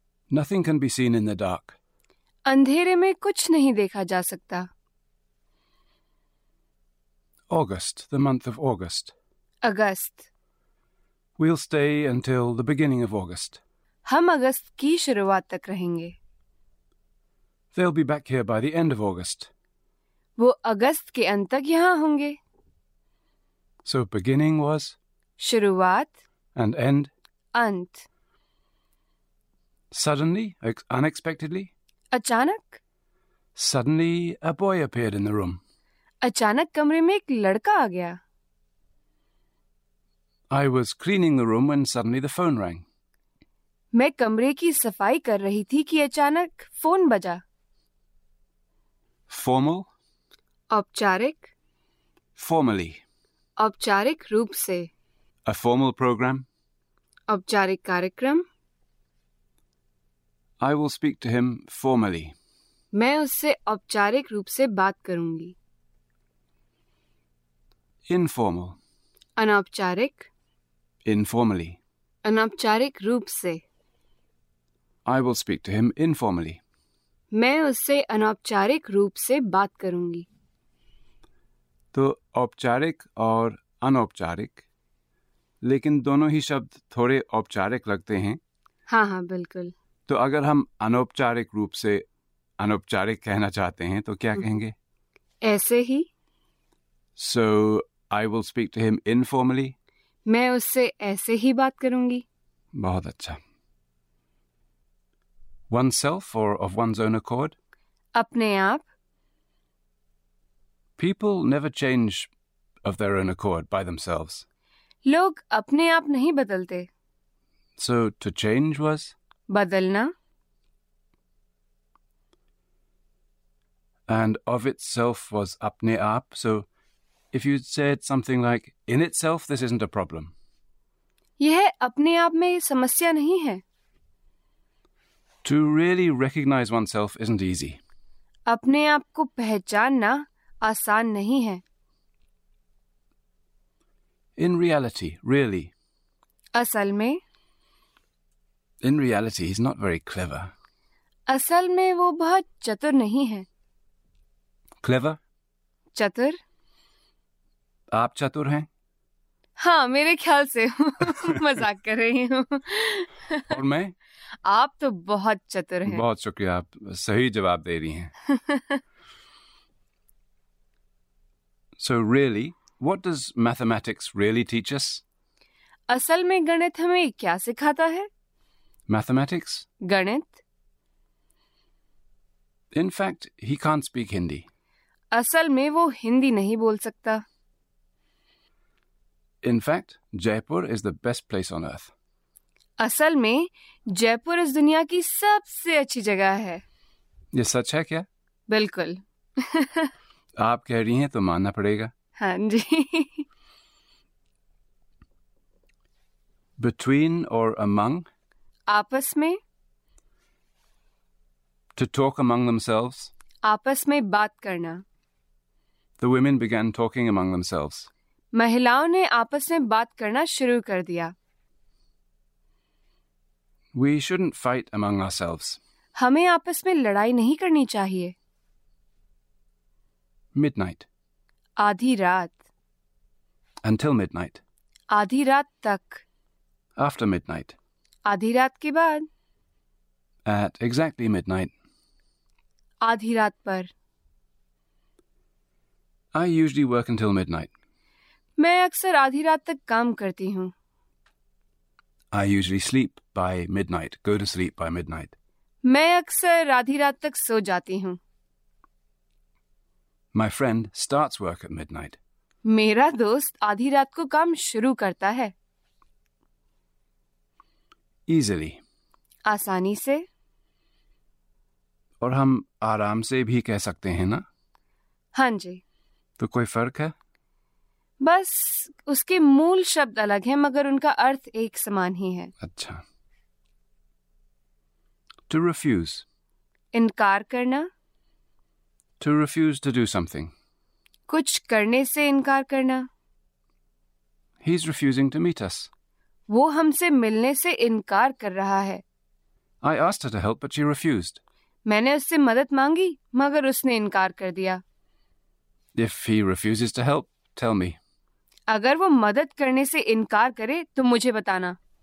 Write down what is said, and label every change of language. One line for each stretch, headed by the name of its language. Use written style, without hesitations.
English: Nothing can be seen in the dark.
Hindi: अंधेरे में कुछ नहीं देखा जा सकता।
English: August, the month of August.
Hindi: August.
English: We'll stay until the beginning of August.
Hindi: हम अगस्त की शुरुआत तक रहेंगे।
English: They'll be back here by the end of August.
Hindi: वो अगस्त के अंत तक यहाँ होंगे।
English: So beginning was
Hindi: शुरुआत,
English: and end
Hindi: अंत।
English: suddenly, unexpectedly,
Hindi: अचानक,
English: suddenly a boy appeared in the room.
Hindi: अचानक कमरे में एक लड़का आ गया।
English: I was cleaning the room when suddenly the phone rang.
Hindi: मैं कमरे की सफाई कर रही थी कि अचानक फोन बजा।
English: Formal,
Hindi: औपचारिक,
English: formally.
Hindi: औपचारिक रूप से,
English: A formal program.
Hindi: औपचारिक कार्यक्रम।
English: I will speak to him formally.
Hindi: मैं उससे औपचारिक रूप से बात करूंगी।
English: Informal.
Hindi: अनौपचारिक,
English: informally.
Hindi: अनौपचारिक रूप से।
English: I will speak to him informally.
Hindi: मैं उससे अनौपचारिक रूप से बात करूंगी। तो औपचारिक और अनौपचारिक, लेकिन दोनों ही शब्द थोड़े औपचारिक लगते हैं। हाँ हाँ बिल्कुल। तो अगर हम अनौपचारिक रूप से अनौपचारिक कहना चाहते हैं तो क्या कहेंगे? ऐसे ही।
English: So I will speak to him informally.
Hindi: मैं उससे ऐसे ही बात करूंगी। बहुत अच्छा।
English: Oneself or of one's own accord?
Hindi: अपने आप।
English: People never change of their own accord by themselves.
Hindi: लोग अपने आप नहीं बदलते।
English: So to change was
Hindi: बदलना।
English: and of itself was
Hindi: अपने आप.
English: So if you said something like in itself, this isn't a problem.
Hindi: यह अपने आप में समस्या नहीं है।
English: To really recognize oneself isn't easy.
Hindi: अपने आप को पहचानना आसान नहीं है।
English: In reality, really.
Hindi: असल में।
English: In reality, he's not very clever.
Hindi: असल में वो बहुत चतुर नहीं है।
English: Clever?
Hindi: चतुर? आप चतुर हैं? हाँ, मेरे ख्याल से मजाक कर रही हूँ। और मैं? आप तो बहुत चतुर हैं। बहुत शुक्रिया, आप सही जवाब दे रही हैं।
English: So really, what does mathematics really teach us?
Hindi: असल में गणित हमें क्या सिखाता है?
English: Mathematics?
Hindi: गणित?
English: In fact, he can't speak Hindi.
Hindi: असल में वो हिंदी नहीं बोल सकता।
English: In fact, Jaipur is the best place on earth.
Hindi: असल में जयपुर इस दुनिया की सबसे अच्छी जगह है। ये सच है क्या? बिल्कुल। आप कह रही हैं तो मानना पड़ेगा। हाँ जी।
English: Between or among?
Hindi: आपस में।
English: To talk among themselves?
Hindi: आपस में बात करना।
English: The women began talking among themselves.
Hindi: महिलाओं ने आपस में बात करना शुरू कर दिया।
English: We shouldn't fight among ourselves.
Hindi: हमें आपस में लड़ाई नहीं करनी चाहिए।
English: Midnight.
Hindi: आधी रात।
English: Until midnight.
Hindi: आधी रात तक।
English: After midnight.
Hindi: आधी रात के बाद।
English: At exactly midnight.
Hindi: आधी रात पर।
English: I usually work until midnight.
Hindi: मैं अक्सर आधी रात तक काम करती हूँ।
English: I usually sleep by midnight. Go to sleep by midnight.
Hindi: मैं अक्सर आधी रात तक सो जाती हूँ।
English: My friend starts work at midnight.
Hindi: मेरा दोस्त आधी रात को काम शुरू करता है.
English: Easily.
Hindi: आसानी से. और हम आराम से भी कह सकते हैं ना? हाँ जी. तो कोई फर्क है? बस उसके मूल शब्द अलग हैं, मगर उनका अर्थ एक समान ही है. अच्छा.
English: To refuse.
Hindi: इनकार करना.
English: To refuse to do something.
Hindi: कुछ करने से इनकार करना.
English: He's refusing to meet us.
Hindi: वो हमसे मिलने से इनकार कर रहा है.
English: I asked her to help, but she refused.
Hindi: मैंने उससे मदद मांगी, मगर उसने इनकार कर दिया.
English: If he refuses to help, tell me.
Hindi: अगर वो मदद करने से इनकार करे तो मुझे बताना.